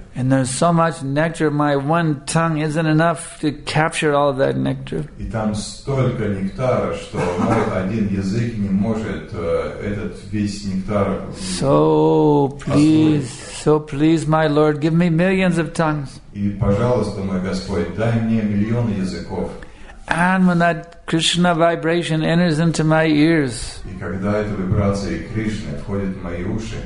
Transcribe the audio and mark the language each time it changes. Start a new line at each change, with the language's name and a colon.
English: And there's so much nectar, my one tongue isn't enough to capture all of that nectar.
Russian: И там столько нектара, что мой один язык не может этот весь нектар.
English: So please, my Lord, give me millions of tongues.
Russian: И пожалуйста, мой Господь, дай мне миллионы языков.
English: And when that Krishna vibration enters into my ears,
Russian: и когда эта вибрация Кришны входит в мои уши,